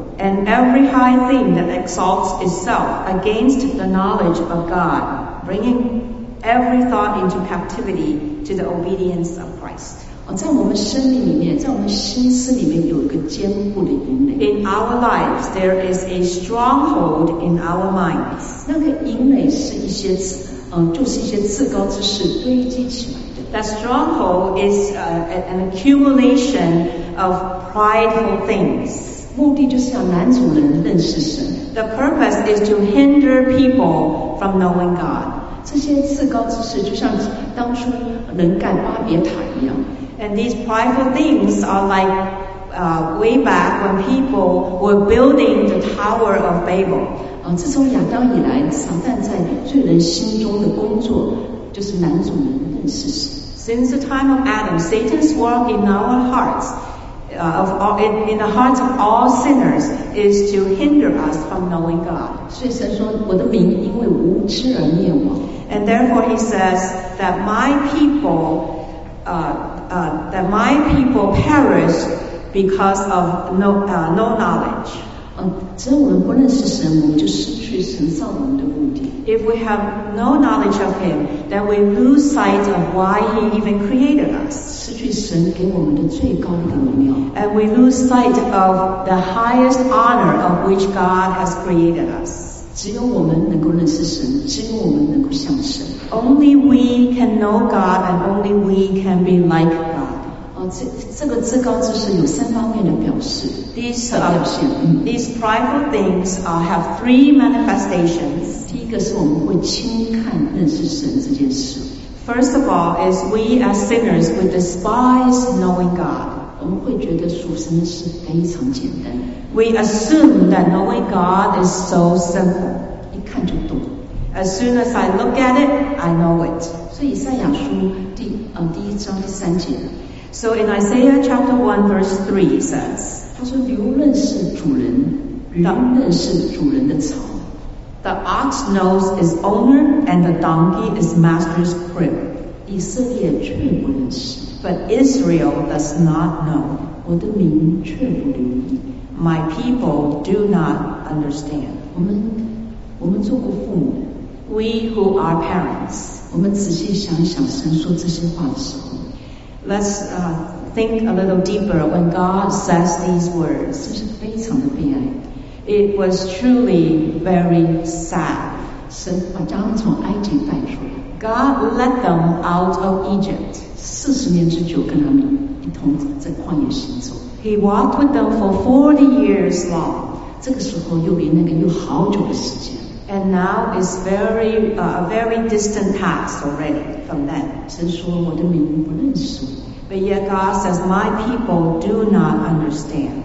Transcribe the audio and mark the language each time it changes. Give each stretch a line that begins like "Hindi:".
English: And every high thing that exalts itself against the knowledge of God bringing every thought into captivityTo the obedience of Christ.
Chinese: 在我们生命里面，在我们心思里面有一个坚固的营垒。
English: In our lives, there is a stronghold in our minds.
Chinese: 那个营垒是一些，就是一些至高之事堆积起来的。
English: That stronghold is an accumulation of prideful things.
Chinese: 目的就是要拦阻人认识神。
English: The purpose is to hinder people from knowing God.
Chinese: 这些至高之事就像当初人干巴别塔一样
English: And these prideful things are like way back when people were building the Tower of Babel
Chinese: 自从亚当以来撒旦在罪人心中的工作就是拦阻人认识神
English: Since the time of Adam Satan's work in our heartsOf all, in the hearts of all sinners is to hinder us from knowing God.
Chinese: 所以神说我的民因为无知而灭亡。
English: And therefore he says that my people, that my people perish because of no knowledge.
Chinese: 只要我们不认识神，我们就失去神造我们的目的。
English: If we have no knowledge of him, then we lose sight of why he even created us.
Chinese: 失去神给我们的最高的荣耀。
English: And we lose sight of the highest honor of which God has created us.
Chinese: 只有我们能够认识神，只有我们能够像神。
English: Only we can know God, and only we can be like God.
Chinese: 这个至高之事有三方面的表示。
English: These prideful things have three manifestations.
Chinese: 第一个是我们会轻看认识神这件事。
English: First of all, is we as sinners would despise knowing God.
Chinese: 我们会觉得属神的事非常简单。
English: We assume that knowing God is so simple.
Chinese: 一看就懂。
English: As soon as I look at it, I know it.
Chinese: 所以以赛亚书第一章第三节。
English: So in Isaiah chapter 1 verse 3 it says,
Chinese: 他说驴认识主人，驴认识主人的槽。
English: The ox knows its owner and the donkey its master's crib.
Chinese: 以色列却不认识。
English: But Israel does not know.
Chinese: 我的民却不留意。
English: My people do not understand.
Chinese: 我们做过父母。
English: We who are parents.
Chinese: 我们仔细想一想神说这些话的时候。
English: Let's think a little deeper when God says these words.
Chinese: 这是非常的悲哀。
English: It was truly very sad.
Chinese: 神把他们从埃及带出来。
English: God let them out of Egypt.
Chinese: 40年之久跟他们一同在旷野行走。
English: He walked with them for 40 years long.
Chinese: 这个时候又比那个又好久的时间。
English: And now it's a very distant past already from then.
Chinese: 神说我的民不认识我。
English: But yet God says, my people do not understand.